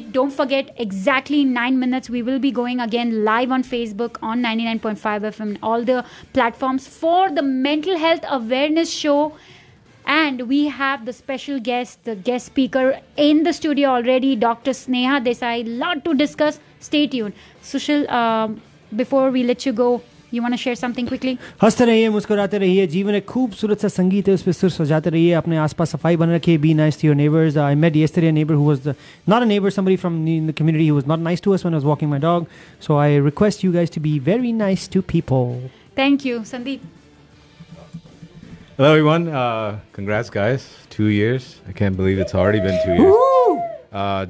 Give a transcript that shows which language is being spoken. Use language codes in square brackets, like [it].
[en] Don't forget, exactly 9 minutes, we will be going again live on Facebook on 99.5 FM, all the platforms, for the Mental Health Awareness Show. And we have the special guest, the guest speaker in the studio already, Dr. Sneha Desai. Lot to discuss. Stay tuned. Sushil, before we let you go, you want to share something quickly? [hi] हंसते रहिए, मुस्कुराते रहिए. जीवन एक खूबसूरत सा संगीत है, उस पर सुर सजाते रहिए. अपने आसपास सफाई बने रखिए. [en] Be nice to your neighbors. I met yesterday a neighbor who was not a neighbor, somebody from in the community who was not nice to us when I was walking my dog. So I request you guys to be very nice to people. Thank you, Sandeep. Hello everyone, congrats guys, 2 years, I can't believe it's already been 2 years.